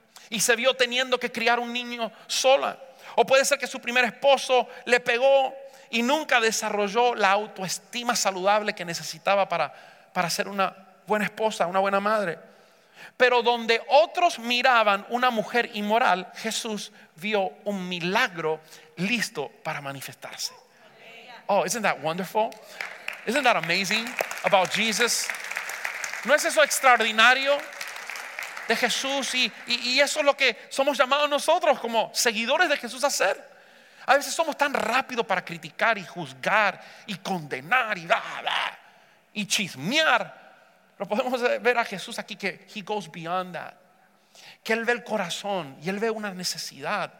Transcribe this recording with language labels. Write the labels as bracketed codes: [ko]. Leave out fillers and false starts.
[es] Y se vio teniendo que criar un niño sola. O puede ser que su primer esposo le pegó y nunca desarrolló la autoestima saludable que necesitaba para ser una buena esposa, una buena madre. Pero donde otros miraban una mujer inmoral, Jesús vio un milagro listo para manifestarse. [en] Oh, isn't that wonderful? Isn't that amazing about Jesus? [es] ¿No es eso extraordinario de Jesús? Y eso es lo que somos llamados nosotros como seguidores de Jesús a hacer. A veces somos tan rápidos para criticar y juzgar y condenar y bla, bla, y chismear. Pero podemos ver a Jesús aquí que [en] he goes beyond that. [es] Que Él ve el corazón y Él ve una necesidad.